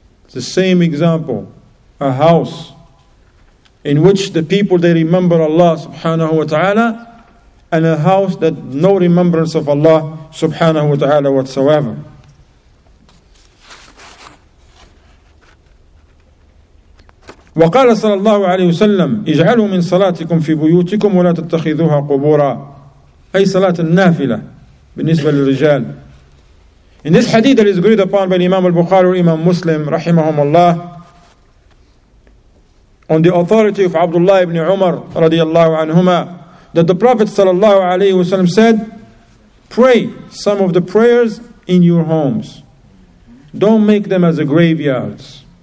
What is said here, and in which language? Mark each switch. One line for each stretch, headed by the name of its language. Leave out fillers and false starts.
English: The same example, a house in which the people, they remember Allah subhanahu wa ta'ala, and a house that no remembrance of Allah subhanahu wa ta'ala whatsoever.
Arabic: وقال صلى الله عليه وسلم اجعلوا من صلاتكم في بيوتكم ولا تتخذوها قبورا أي صلاة النافلة بالنسبة للرجال.
English: In this hadith that is agreed upon by Imam al-Bukhari or Imam Muslim رحمهم الله, on the authority of Abdullah ibn Umar رضي الله عنهما, that the Prophet صلى الله عليه وسلم said, pray some of the prayers in your homes, don't make them as a graveyards.